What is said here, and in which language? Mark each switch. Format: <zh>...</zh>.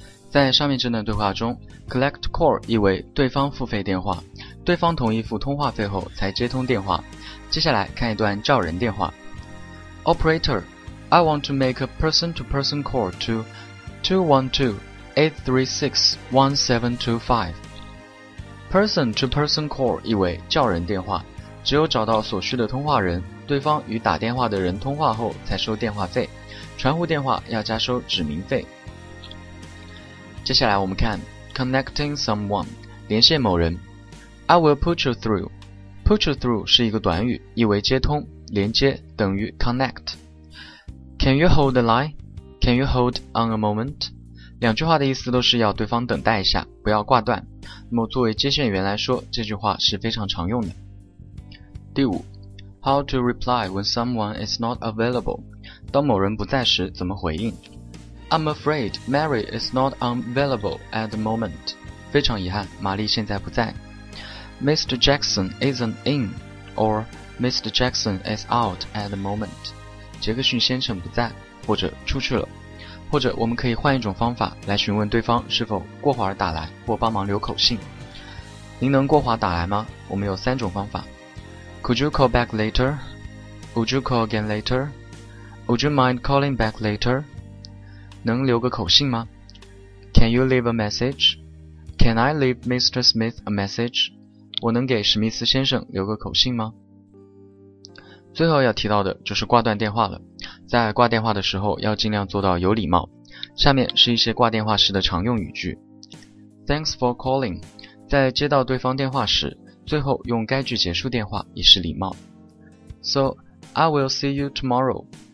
<zh>在上面这段对话中 collect call 意为对方付费电话，对方同意付通话费后才接通电话。接下来看一段叫人电话。</zh> <en>Operator, I want to make a person-to-person call to 212-836-1725.</en> <zh>Person-to-person call 意为叫人电话，只有找到所需的通话人，对方与打电话的人通话后才收电话费，传呼电话要加收指名费。接下来我们看</zh> <en>connecting someone,</en> <zh>连线某人。</zh> <en>I will put you through. Put you through</en> <zh>是一个短语，意为接通、连接，等于</zh> <en>connect. Can you hold the line? Can you hold on a moment?</en> <zh>两句话的意思都是要对方等待一下，不要挂断。那么作为接线员来说，这句话是非常常用的。第五，</zh> <en>How to reply when someone is not available?</en> <zh>当某人不在时怎么回应？</zh> <en>I'm afraid Mary is not available at the moment.</en> <zh>非常遗憾，玛丽现在不在。</zh> <en>Mr. Jackson isn't in, or Mr. Jackson is out at the moment.</en> <zh>杰克逊先生不在，或者出去了。或者我们可以换一种方法来询问对方是否过会儿打来或帮忙留口信。您能过会儿打来吗？我们有三种方法。</zh> <en>Could you call back later? Would you call again later? Would you mind calling back later?</en> <zh>能留个口信吗？</zh> <en>Can you leave a message? Can I leave Mr. Smith a message?</en> <zh>我能给史密斯先生留个口信吗？最后要提到的就是挂断电话了，在挂电话的时候要尽量做到有礼貌。下面是一些挂电话时的常用语句。</zh> <en>Thanks for calling.</en> <zh>在接到对方电话时，最后用该句结束电话也是礼貌。</zh> <en>So, I will see you tomorrow.</en>